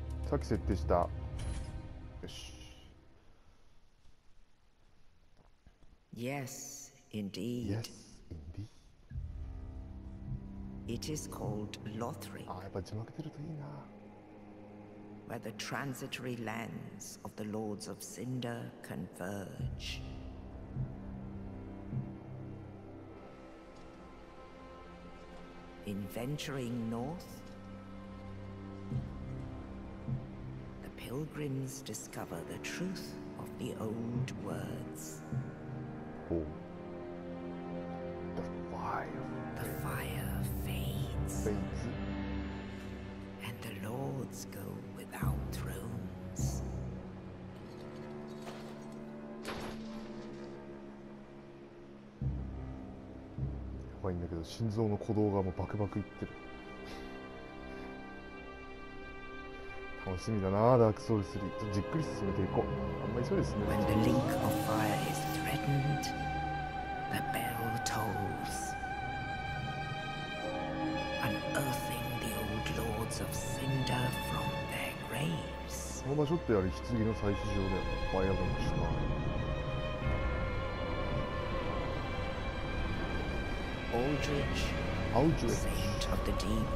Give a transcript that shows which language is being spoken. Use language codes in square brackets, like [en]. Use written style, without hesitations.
[ja] さっき設定した。よし。 [en] Yes, indeed. Yes, indeed. It is called Lothric. [ja] あ、やっぱ字幕出るといいな。 [en] Where the transitory lands of the Lords of Cinder convergeIn venturing north, the pilgrims discover the truth of the old words. Oh. The fire. The fire fades. Fades. And the lords go without thrones. [ja] 怖いんだけど、心臓の鼓動がもうバクバクいってる。楽しみだなダークソウル3。じっくり進めていこう。あんまりそうですね。 [en] When the link of fire is threatened, the bell tolls, unearthing the old lords of Cinder from their graves. [ja] この場所ってやはり棺の採取場で、ファイアゴンの島。 [en] Aldrich, Saint of the Deep.